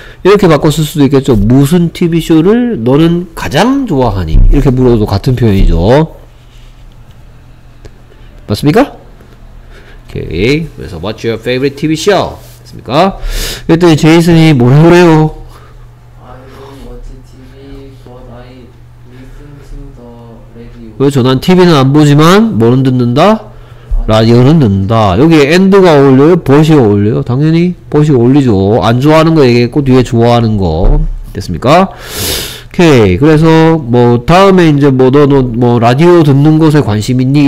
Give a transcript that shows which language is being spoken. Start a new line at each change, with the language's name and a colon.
Korean: 이렇게 바꿨을 수도 있겠죠. 무슨 TV 쇼를 너는 가장 좋아하니? 이렇게 물어도 같은 표현이죠. 맞습니까? 오케이. 그래서
English: What's your favorite TV show?
Korean: 맞습니까? 그랬더니 제이슨이 뭐라 그래요?
English: I don't watch TV, but I listen to the radio.
Korean: 왜 저 난 TV는 안 보지만 뭐는 듣는다? 라디오는 듣는다. 여기 엔드가 어울려요? 벗이 어울려요? 당연히 벗이 어울리죠. 안 좋아하는 거 얘기했고 뒤에 좋아하는 거 됐습니까? 오케이. 그래서 뭐 다음에 이제 뭐 너 라디오 듣는 것에 관심 있니?